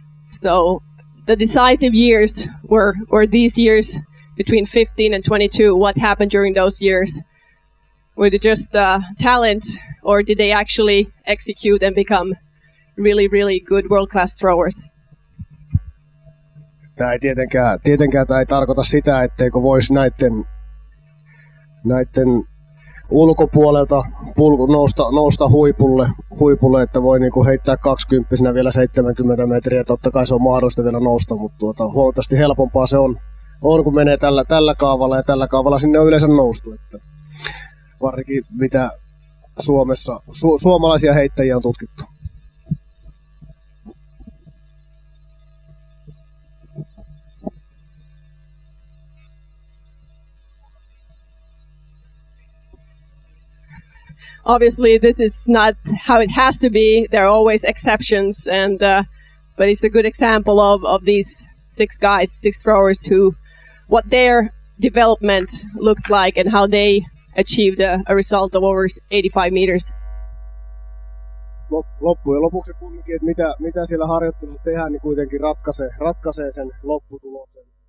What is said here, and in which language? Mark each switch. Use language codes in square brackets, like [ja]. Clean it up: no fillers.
[en] So the decisive years were these years between 15 and 22. What happened during those years? Were they just talent, or did they actually execute and become really, really good world-class throwers? [fi] Tämä ei tietenkään tämä ei tarkoita sitä, etteikö voisi näiden ulkopuolelta nousta huipulle, että voi niinku heittää 20 vielä 70 metriä. Totta kai se on mahdollista vielä nousta, mutta tuota, huomattavasti helpompaa se on, kun menee tällä kaavalla, ja tällä kaavalla sinne on yleensä noustu. Että varsinkin mitä Suomessa suomalaisia heittäjiä on tutkittu. [en] Obviously, this is not how it has to be. There are always exceptions, but it's a good example of these six guys, six throwers, who what their development looked like and how they achieved a result of over 85 meters. [fi] Loppujen lopuksi kuitenkin, että mitä siellä harjoittelussa tehdään, niin kuitenkin ratkaisee sen lopputuloksen.